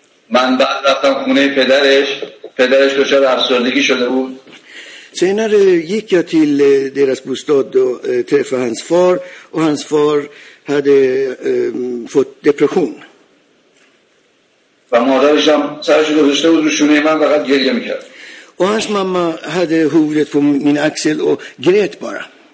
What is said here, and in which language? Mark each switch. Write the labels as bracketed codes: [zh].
[fa] من بعد رفتم خونه پدرش، پدرش دچار افسردگی شده بود. [sv] Senare gick jag till deras bostad och träffade hans far, och hans far hade fått depression. [fa] و مادرش هم سرش رو گذاشته بود رو شونه من، فقط گریه میکرد. [sv] Och hans mamma hade huvudet på min axel och grät bara.